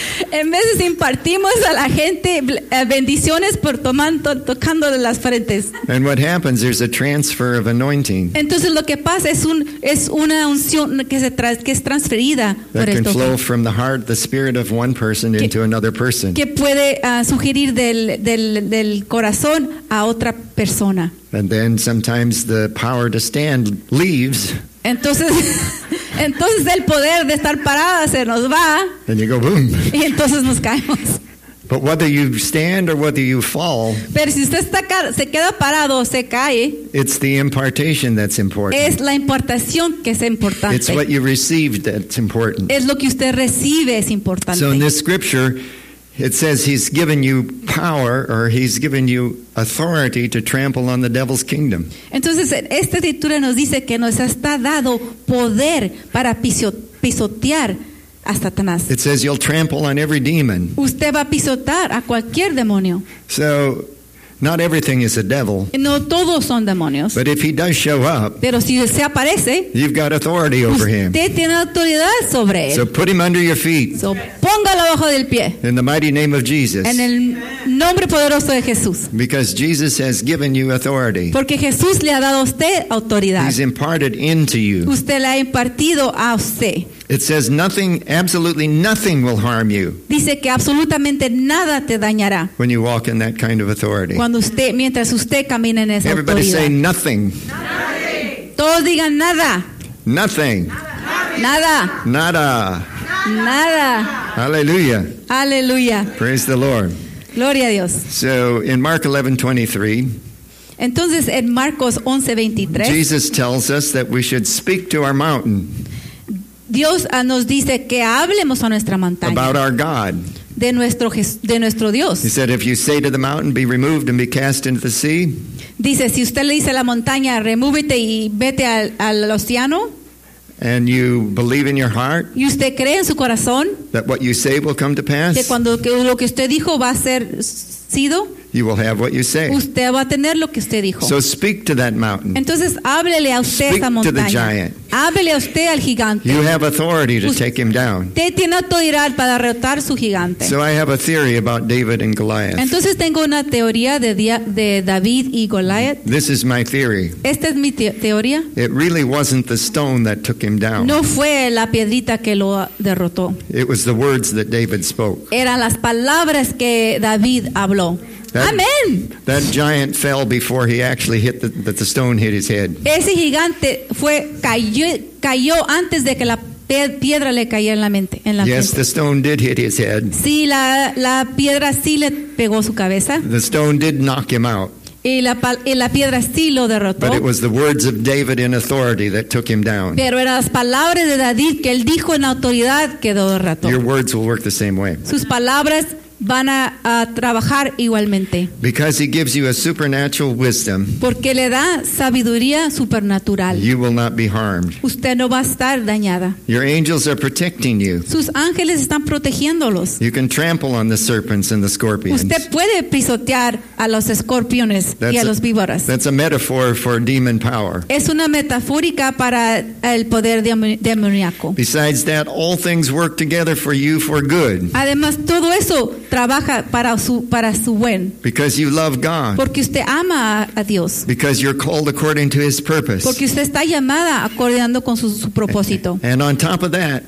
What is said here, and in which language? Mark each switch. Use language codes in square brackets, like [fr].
[es] En veces impartimos a la gente bendiciones por tocándole las frentes. [en] And what happens, there's a transfer of anointing. [es] Entonces lo que pasa es una unción que es transferida por el [en] flow from the heart, the spirit of one person into another person. [es] Que puede sugerir del corazón a otra persona. [en] And then sometimes the power to stand leaves. [es] Entonces el poder de estar parada se nos va. [en] And you go boom. [es] Y entonces nos caemos. [en] But whether you stand or whether you fall. [es] Pero si usted se queda parado o se cae. [en] It's the impartation that's important. [es] Es la impartación que es importante. [en] It's what you received that's important. [es] Es lo que usted recibe es importante. [en] So in this scripture it says he's given you power or he's given you authority to trample on the devil's kingdom. [es] Entonces, esta escritura nos dice que nos está dado poder para pisotear a Satanás. [en] It says you'll trample on every demon. [es] Usted va a pisotear a cualquier demonio. [en] So, not everything is a devil. [es] No todos son demonios. [en] But if he does show up, [es] pero si se aparece, [en] you've got authority over him. [es] Usted tiene autoridad sobre él. [en] So put him under your feet. [es] So póngalo abajo del pie. [en] In the mighty name of Jesus. [es] En el nombre poderoso de Jesús. [en] Because Jesus has given you authority. [es] Porque Jesús le ha dado a usted autoridad. [en] He's imparted into you. [es] Usted la ha impartido a usted. [en] It says nothing, absolutely nothing will harm you. [es] Dice que absolutamente nada te dañará. [en] When you walk in that kind of authority. [es] Cuando usted, mientras usted camina en esa autoridad. [en] Everybody say nothing. Nothing. [es] Todos digan nada. [en] Nothing. [es] Nada. Nada. Nada. Nada. [en] Hallelujah. Hallelujah. Praise the Lord. [es] Gloria a Dios. [en] So in Mark 11:23. [es] Entonces en Marcos 11:23. [en] Jesus tells us that we should speak to our mountain. [es] Dios nos dice que hablemos a nuestra montaña. [en] About our God. [es] De nuestro Dios. [en] He said, if you say to the mountain, be removed and be cast into the sea. [es] Dice, si usted le dice a la montaña, remúvete y vete al océano. [en] And you believe in your heart. [es] Y usted cree en su corazón. [en] That what you say will come to pass. [es] Que cuando lo que usted dijo va a ser sido. [en] You will have what you say. [es] Usted va a tener lo que usted dijo. [en] So speak to that mountain. [es] Entonces háblele a usted [en] speak [es] esa montaña. [en] To the giant. [es] Háblele a usted al gigante. [en] You have authority to take him down. [es] Usted tiene autoridad para derrotar su gigante. [en] So I have a theory about David and Goliath. [es] Entonces tengo una teoría de David y Goliath. [en] This is my theory. [es] Esta es mi teoría. [en] It really wasn't the stone that took him down. [es] No fue la piedrita que lo derrotó. [en] It was the words that David spoke. [es] Eran las palabras que David habló. [en] Amen. That giant fell before he actually hit the stone hit his head. [es] Ese gigante cayó antes de que la piedra le cayera en la mente. [en] Yes, the stone did hit his head. [es] Sí, la piedra sí le pegó su cabeza. [en] The stone did knock him out. [es] Y la piedra sí lo derrotó. [en] But it was the words of David in authority that took him down. [es] Pero eran las palabras de David que él dijo en autoridad que lo derrotó. [en] Your words will work the same way. [es] Sus palabras van a trabajar igualmente. [en] Because he gives you a supernatural wisdom. [es] Porque le da sabiduría supernatural. [en] You will not be harmed. [es] Usted no va a estar dañada. [en] Your angels are protecting you. [es] Sus ángeles están protegiéndolos. [en] You can trample on the serpents and the scorpions. [es] Usted puede pisotear a los escorpiones y a los víboras. [en] That's a metaphor for demon power. [es] Es una metafórica para el poder demoníaco. [en] Besides that, all things work together for you for good. [es] Además, todo eso trabaja para su buen. [en] Because you love God. [es] Porque usted ama a Dios. [en] Because you're called according to His purpose. [es] Porque usted está llamada acordeando con su propósito. [en] And on top of that,